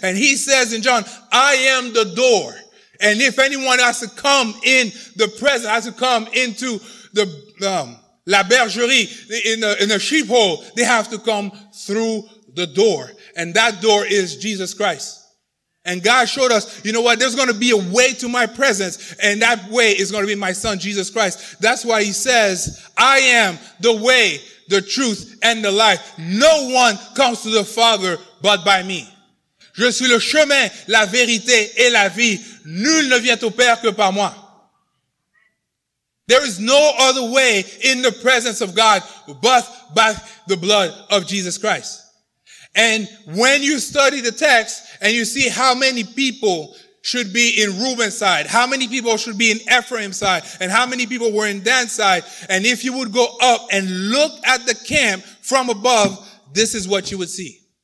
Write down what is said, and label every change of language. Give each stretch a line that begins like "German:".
English: And he says in John, I am the door. And if anyone has to come in the presence, has to come into the
French: la bergerie,
English: in the sheephole, they have to come through the door, and that door is Jesus Christ. And God showed us, you know what, there's going to be a way to my presence, and that way is going to be my son, Jesus Christ. That's why he says, I am the way, the truth, and the life. No one comes to the Father but by me.
French: Je suis le chemin, la vérité, et la vie. Nul ne vient au Père que par moi.
English: There is no other way in the presence of God but by the blood of Jesus Christ. And when you study the text and you see how many people should be in Reuben's side, how many people should be in Ephraim's side, and how many people were in Dan's side, and if you would go up and look at the camp from above, this is what you would see.